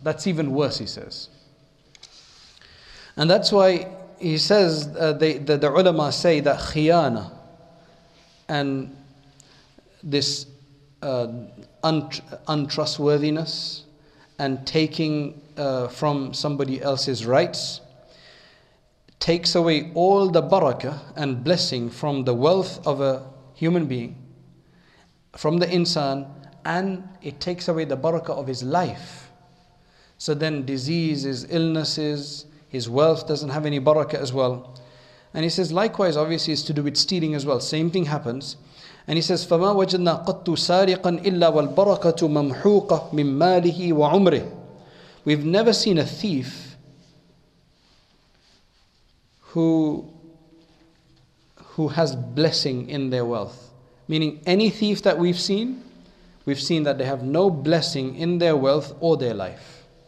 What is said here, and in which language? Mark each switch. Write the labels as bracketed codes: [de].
[en] That's even worse, he says. And that's why he says, the ulama say that khiyana and this untrustworthiness and taking from somebody else's rights takes away all the barakah and blessing from the wealth of a human being, from the insan, and it takes away the barakah of his life. So then diseases, illnesses, his wealth doesn't have any barakah as well. And he says, likewise, obviously, it's to do with stealing as well. Same thing happens. And he says, [ar] فَمَا وَجَدْنَا قَطُّ سَارِقًا إِلَّا وَالْبَرَكَةُ مَمْحُوقَ مِنْ مَالِهِ وَعُمْرِهِ. [en] We've never seen a thief who has blessing in their wealth. Meaning any thief that we've seen that they have no blessing in their wealth or their life.